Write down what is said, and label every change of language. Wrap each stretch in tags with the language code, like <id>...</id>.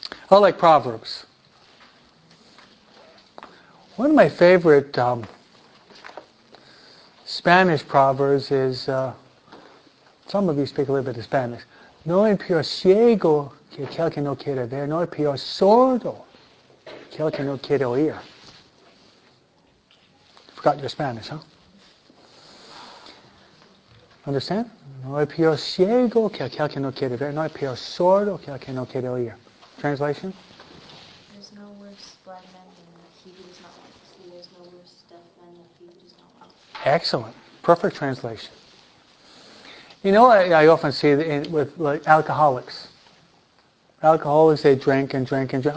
<en>I like Proverbs. One of my favorite Spanish proverbs is, some of you speak a little bit of Spanish.</en> <es>No hay peor ciego que aquel que no quiere ver. No hay peor sordo que aquel que no quiere oír.</es> <en>Forgot your Spanish, huh? Understand?</en> <es>No hay peor ciego que aquel que no quiere ver. No hay peor sordo que aquel que no quiere oír.</es> <en>Translation? There's no worse blind man than he who does not want to see. There's no worse deaf man than he who does not want to see. Excellent. Perfect translation. You know what I often see with alcoholics? Alcoholics, they drink and drink and drink.</en>